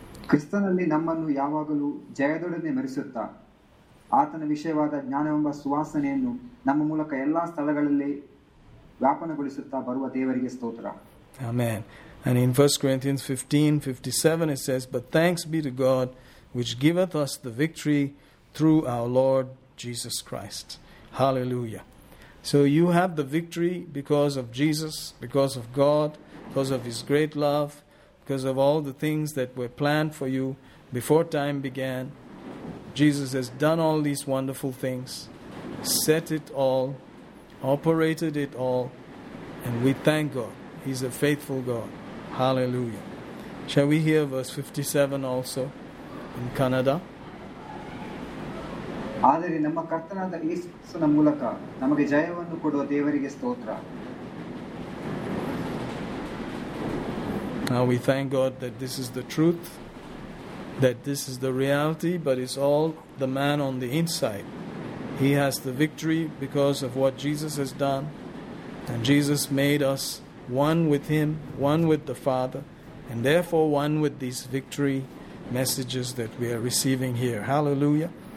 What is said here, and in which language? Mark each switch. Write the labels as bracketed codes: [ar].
[kn] ಕ್ರಿಸ್ತನಲ್ಲಿ ನಮ್ಮನ್ನು ಯಾವಾಗಲೂ ಜಯದೊಡನೆ ಮರೆಸುತ್ತಾ ಆತನ ವಿಷಯವಾದ ಜ್ಞಾನವೆಂಬ ಸುವಾಸನೆಯನ್ನು ನಮ್ಮ ಮೂಲಕ ಎಲ್ಲಾ ಸ್ಥಳಗಳಲ್ಲಿ ವ್ಯಾಪನಗೊಳಿಸುತ್ತಾ ಬರುವ ದೇವರಿಗೆ ಸ್ತೋತ್ರ. [en] Amen. And in 1 Corinthians 15, 57, it says, "But thanks be to God, which giveth us the victory through our Lord Jesus Christ." Hallelujah. So you have the victory because of Jesus, because of God, because of His great love, because of all the things that were planned for you before time began. Jesus has done all these wonderful things, set it all, operated it all, and we thank God. He's a faithful God. Hallelujah. Shall we hear verse 57 also in Kannada? [kn] ಆದರೆ ನಮ್ಮ ಕರ್ತನಾದ ಯೇಸುವಿನ ಮೂಲಕ ನಮಗೆ ಜಯವನ್ನು ಕೊಡುವ ದೇವರಿಗೆ ಸ್ತೋತ್ರ. [en] Now we thank God that this is the truth, that this is the reality, but it's all the man on the inside. He has the victory because of what Jesus has done, and Jesus made us one with Him, one with the Father, and therefore one with these victory messages that we are receiving here. Hallelujah.